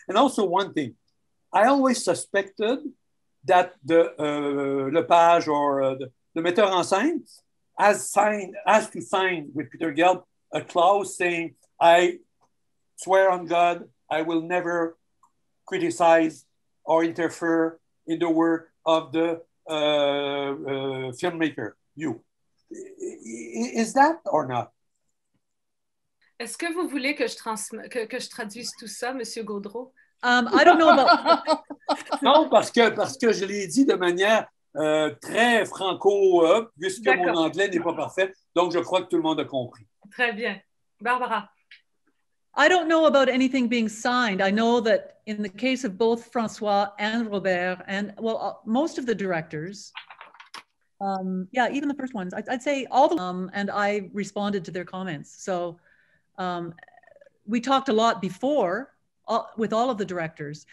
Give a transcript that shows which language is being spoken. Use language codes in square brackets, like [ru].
[en] And also one thing, I always suspected that the Lepage or the metteur en scène has to sign with Peter Gelb a clause saying, I swear on God, I will never criticize or interfere in the work of the filmmaker, you. Is that or not? [fr] Est-ce que vous voulez que je traduise tout ça, Monsieur Gaudreau? [en] I don't know about [fr] Non, parce que je l'ai dit de manière très franco, puisque D'accord. mon anglais n'est pas parfait. Donc, je crois que tout le monde a compris. Très bien. Barbara. [en] I don't know about anything being signed. I know that in the case of both François and Robert, and well, most of the directors, even the first ones, I'd say all the and I responded to their comments. So we talked a lot before with all of the directors.